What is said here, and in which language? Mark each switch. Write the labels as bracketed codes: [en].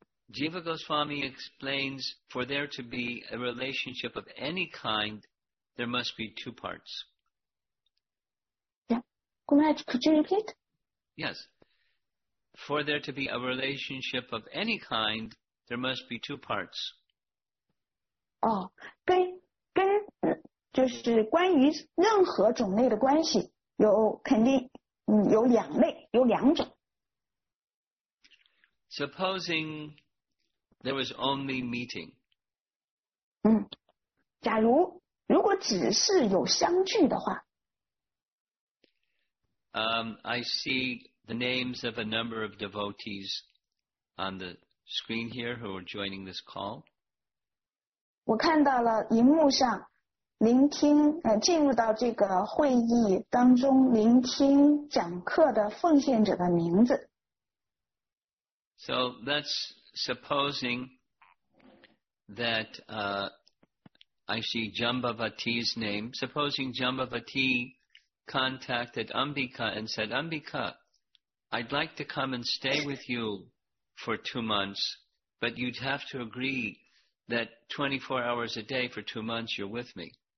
[en] Jiva Goswami explains, for there to be a relationship of any kind, there must be two parts. Yeah, Kumaraj, could you repeat? Yes. For there to be a relationship of any kind, there must be two parts. [zh] Oh, 跟就是关于任何种类的关系，有肯定，有两类，有两种。 [en] Supposing there was only meeting. [zh] 假如，如果只是有相聚的话。 [en] I see the names of a number of devotees on the screen here who are joining this call. [zh] 我看到了荧幕上聆听，进入到这个会议当中聆听讲课的奉献者的名字。 [en] So that's supposing that I see Jambavati's name. Supposing Jambavati contacted Ambika and said, Ambika, I'd like to come and stay with you for 2 months, but you'd have to agree that 24 hours a day for 2 months you're with me.